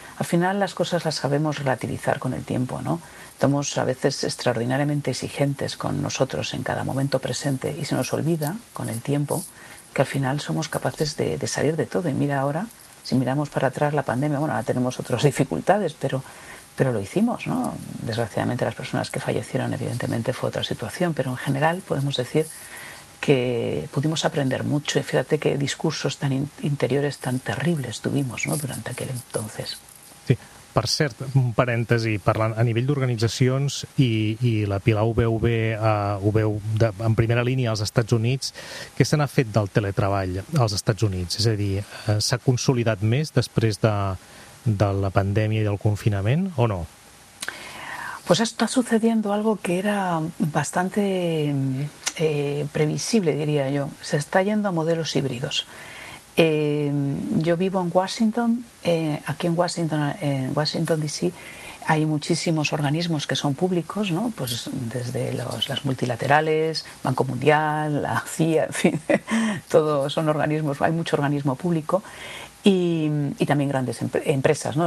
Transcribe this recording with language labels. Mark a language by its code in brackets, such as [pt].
[es] Al final las cosas las sabemos relativizar con el tiempo, ¿no? Somos a veces extraordinariamente exigentes con nosotros en cada momento presente y se nos olvida con el tiempo que al final somos capaces de salir de todo. Y mira ahora, si miramos para atrás la pandemia, bueno, ahora tenemos otras dificultades, pero lo hicimos, ¿no? Desgraciadamente las personas que fallecieron evidentemente fue otra situación, pero en general podemos decir que pudimos aprender mucho y fíjate qué discursos tan interiores tan terribles tuvimos, ¿no?, durante aquel entonces. [ca] Sí, per cert, un parèntesi, parlant a nivell d'organitzacions i la Pilar ho veu en primera línia als Estats Units, què se n'ha fet del teletreball als Estats Units? És a dir, s'ha consolidat més després de la pandèmia i del confinament o no? [es] Pues está sucediendo algo que era bastante previsible, diría yo. Se está yendo a modelos híbridos. Yo vivo en Washington, aquí en Washington, en Washington DC, hay muchísimos organismos que son públicos, ¿no? Pues desde las multilaterales, Banco Mundial, la CIA, en fin, todos son organismos, hay mucho organismo público y también grandes empresas, ¿no?